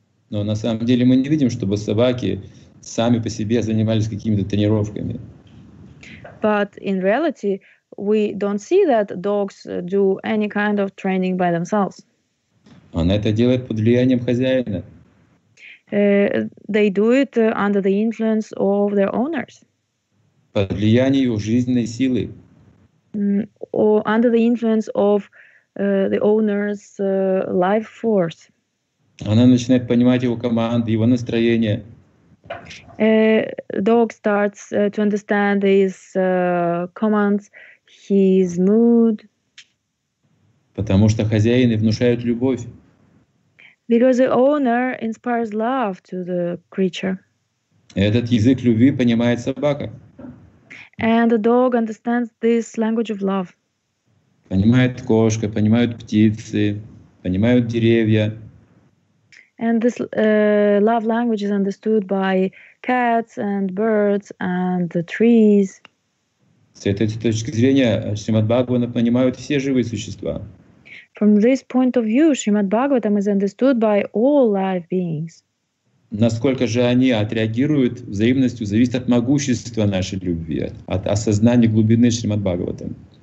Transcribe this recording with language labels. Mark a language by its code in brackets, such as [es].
[ru] Но на самом деле мы не видим, чтобы собаки сами по себе занимались какими-то тренировками. [en] But in reality, we don't see that dogs do any kind of training by themselves. [ru] Она это делает под влиянием хозяина. [en] They do it under the influence of their owners. [ru] Под влиянием жизненной силы. [en] Or under the influence of the owner's life force. [ru] Она начинает понимать его команды, его настроение. [en] Dog starts to understand his commands, his mood. [ru] Потому что хозяин внушает любовь. [en] Because the owner inspires love to the creature. [ru] Этот язык любви понимает собака. [en] And the dog understands this language of love. [ru] Понимает кошка, понимают птицы, понимают деревья. [en] And this love language is understood by cats and birds and the trees. [ru] С этой точки зрения Шримад-Бхагаватам понимают все живые существа. [en] From this point of view, Shrimad-Bhagavatam is understood by all live beings. [ru] Насколько же они отреагируют взаимностью, зависит от могущества нашей любви, от осознания глубины Шримад-Бхагаватам.